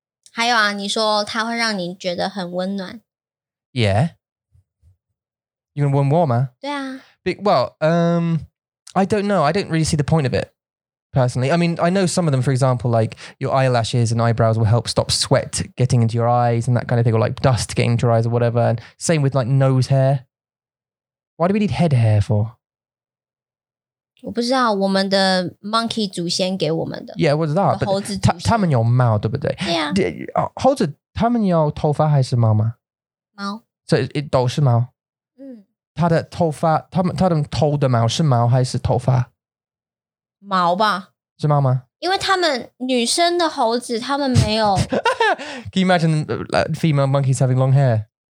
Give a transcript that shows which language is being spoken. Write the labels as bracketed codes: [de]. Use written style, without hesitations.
[zh] 还有啊，你说它会让你觉得很温暖。 [en] Yeah. You want to warm warmer? [zh] 对啊。 [en] Well, I don't know. I don't really see the point of it, personally. I mean, I know some of them, for example, like your eyelashes and eyebrows will help stop sweat getting into your eyes and that kind of thing, or like dust getting into your eyes or whatever. And same with like nose hair. Why do we need head hair for? [zh] 我不知道我们的 monkey 祖先给我们的。 [en] Yeah, what's that? [zh] 猴子祖先。他们有毛对不对? [en] Yeah. [zh] 猴子他们有头发还是毛吗? 毛。 [en] So it [zh] 都是毛。嗯。他的头发他们头的毛是毛还是头发? 毛吧。是毛吗? 因为他们女生的猴子他们没有。 [en] Can you imagine like, female monkeys having long hair?